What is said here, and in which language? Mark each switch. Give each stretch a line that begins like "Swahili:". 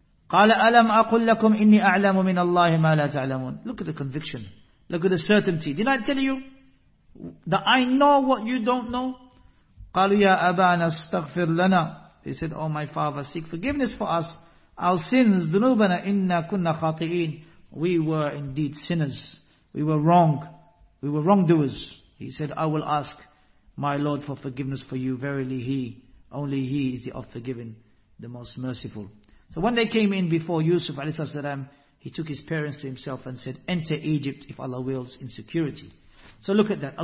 Arabic: قَالَ أَلَمْ أَقُلْ لَكُمْ إِنِّي أَعْلَمُ مِنَ اللَّهِ مَا لَا تَعْلَمُونَ.
English: Look at the conviction. Look at the certainty. Did I tell you that I know what you don't know?
Arabic: قَالُوا يَا أَبَانَا اسْتَغْفِرْ لَنَا.
English: They said, oh my father, seek forgiveness for us. Our sins,
Arabic: ذُنُوبَنَا إِنَّا كُنَّا خَاطِئِينَ.
English: We were indeed sinners. We were wrong. We were wrongdoers. He said, I will ask my Lord for forgiveness for you. Verily He, only He is the all-forgiving, the most merciful. So when they came in before Yusuf alayhi salam, he took his parents to himself and said, enter Egypt if Allah wills in security. So look at that.